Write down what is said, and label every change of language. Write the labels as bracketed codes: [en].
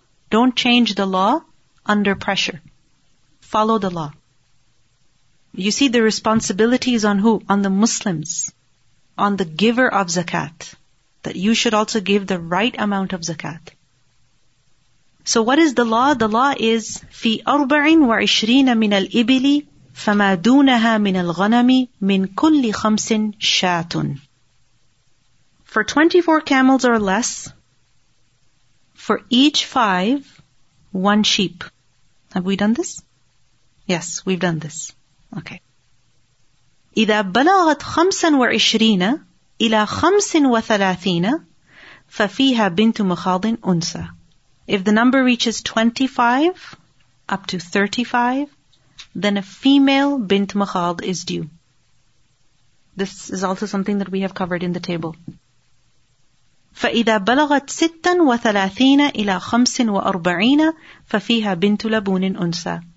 [en] Don't change the law under pressure. Follow the law. You see, the responsibility is on who? On the Muslims. On the giver of zakat. That you should also give the right amount of zakat. So what is the law? The law is [ar] في أربع وعشرين من الإبل فما دونها من الغنم من كل خمس شات. [en] For 24 camels or less, for each 5, one sheep. Have we done this? Yes, we've done this. Okay. [ar] إذا بلغت خمسا وعشرين إلى خمس وثلاثين ففيها بنت مخاض أنثى. [en] If the number reaches 25 up to 35, then a female bint makhad is due. This is also something that we have covered in the table. [ar] فَإِذَا بَلَغَتْ سِتًّا وَثَلَاثِينَ إِلَى خَمْسٍ وَأَرْبَعِينَ فَفِيهَا بِنْتُ لَبُونٍ أُنْسَى.